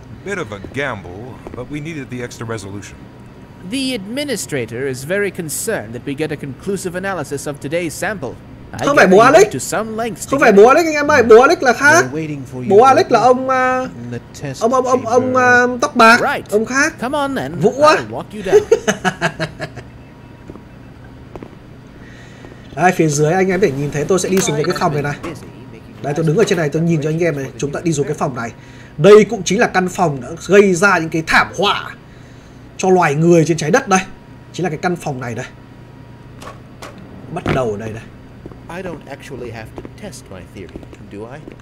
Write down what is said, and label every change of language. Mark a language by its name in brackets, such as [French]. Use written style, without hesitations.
[English] Bit of a gamble, but we needed the extra resolution. The administrator is very concerned that we get a conclusive analysis of today's sample. [Vietnamese] Không phải bố Alex. Không phải bố Alex anh em ơi, bố Alex là khác. Bố Alex là ông tóc bạc, [English] right. [Vietnamese] Ông khác. [English] Come on then. [Vietnamese] Vũ á. [English] Walk you down. [Vietnamese] Đây, phía dưới anh em để nhìn thấy tôi sẽ đi xuống cái phòng này này. Đây tôi đứng ở trên này tôi nhìn cho anh em này, chúng ta đi xuống cái phòng này. Đây cũng chính là căn phòng đã gây ra những cái thảm họa cho loài người trên trái đất đây. Chính là cái căn phòng này đây. Bắt đầu ở đây đây. [English] I don't actually have to test my theory, do I?